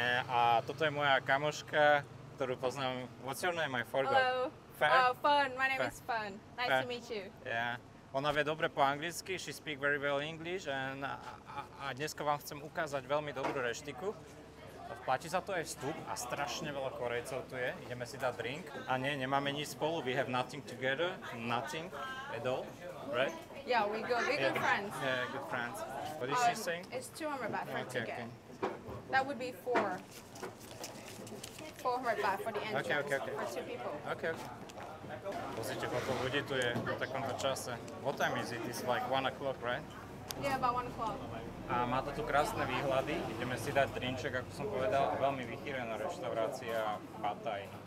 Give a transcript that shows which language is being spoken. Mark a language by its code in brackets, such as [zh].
[sk] A toto je moja kamoška, ktorú poznám. [en] What's your name, I forgot. Hello. Fern? Oh, Fern, my name is Fern. Nice Fern. To meet you. Yeah. [sk] Ona vie dobre po anglicky, [en] she speak very well English. [sk] And a dneska vám chcem ukázať veľmi dobrú reštiku. Platí za to aj vstup a strašne veľa Korejcov tu je. Ideme si dať drink. A nie, nemáme nič spolu. [en] We have nothing together. Nothing at all. Right? Yeah, we go. We're good friends. Yeah, good friends. What is she saying? It's 200 baht for the ticket. That would be 400 baht for the entrance. Okay. For two people. Okay. [sk] Pozrite, koľko ľudí tu je v takomto čase. [en] What time is it? It's like 1 o'clock, right? Yeah, about 1 o'clock. [sk] A má to tu krásne výhľady. Ideme si dať drinček, ako som povedal. Veľmi vychýlená reštaurácia Pattaj.